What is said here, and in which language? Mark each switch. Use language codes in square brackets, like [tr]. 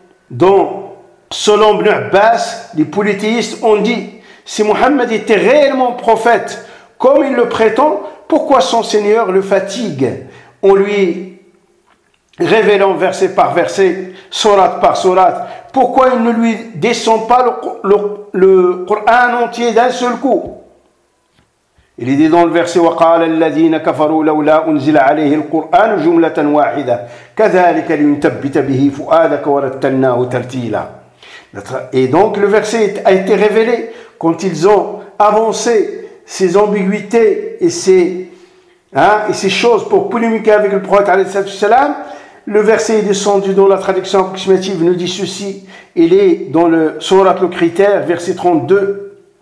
[fr] Donc, selon Ibn Abbas, les polythéistes ont dit, si Mohammed était réellement prophète, comme il le prétend, pourquoi son Seigneur le fatigue en lui révélant verset par verset, sourate par sourate? Pourquoi il ne lui descend pas le Coran entier d'un seul coup? Il est dit dans le verset, [ar] وقال الذين كفروا لولا أنزل عليه القرآن جملة واحدة كذلك لينثبت به فؤادك ورتلناه ترتيلا. [fr] Et donc le verset a été révélé quand ils ont avancé ces ambiguïtés et ces choses pour polémiquer avec le prophète [ar] alayhi salatu wasalam. [fr] Le verset est descendu dans la traduction approximative, nous dit ceci. Il est dans le Sourate le Critère, verset 32.